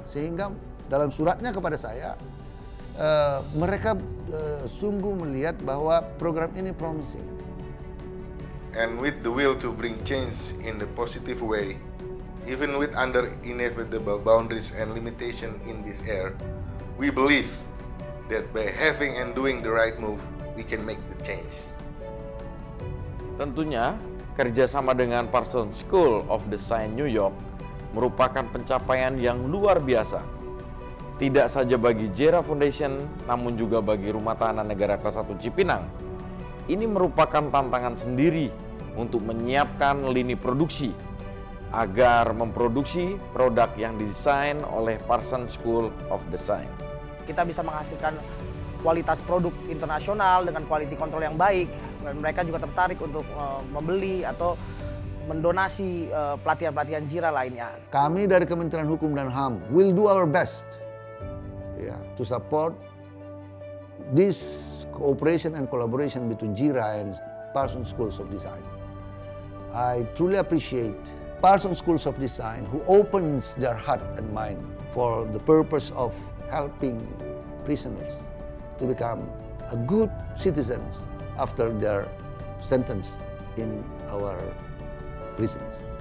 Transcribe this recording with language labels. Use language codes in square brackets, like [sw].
[id] Sehingga dalam suratnya kepada saya, mereka sungguh melihat bahwa program ini promising. [en] And with the will to bring change in a positive way, even with under inevitable boundaries and limitation in this era, we believe that by having and doing the right move, we can make the change. [id] Tentunya, kerjasama dengan Parsons School of Design New York merupakan pencapaian yang luar biasa. Tidak saja bagi Jeera Foundation, namun juga bagi Rumah Tahanan Negara Kelas 1 Cipinang. Ini merupakan tantangan sendiri untuk menyiapkan lini produksi agar memproduksi produk yang didesain oleh Parsons School of Design. Kita bisa menghasilkan kualitas produk internasional dengan quality control yang baik, dan mereka juga tertarik untuk membeli atau mendonasi pelatihan-pelatihan Jeera lainnya. Kami dari [en] Kementerian Hukum dan HAM will do our best to support this cooperation and collaboration between Jeera and Parsons School of Design. I truly appreciate Parsons School of Design who opens their heart and mind for the purpose of helping prisoners to become a good citizens after their sentence in our prisons.